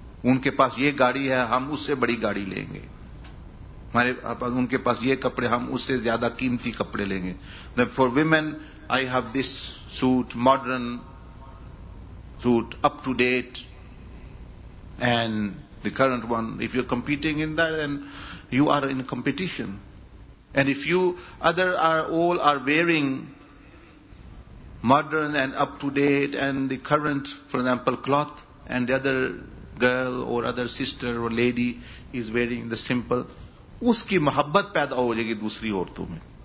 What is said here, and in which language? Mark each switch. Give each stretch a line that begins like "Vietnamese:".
Urdu: ان کے پاس یہ گاڑی ہے، ہم اس سے بڑی گاڑی لیں گے. ہمارے پاس، ان کے پاس یہ کپڑے، ہم اس سے زیادہ قیمتی کپڑے لیں گے.
English: For women I have this suit, modern suit, up to date and the current one. If you competing in that then you are in competition. And if you other are all are wearing modern and up to date and the current for example cloth, and the other girl or other sister or lady is wearing the simple,
Urdu: اس کی محبت پیدا ہو جائے گی دوسری عورتوں میں.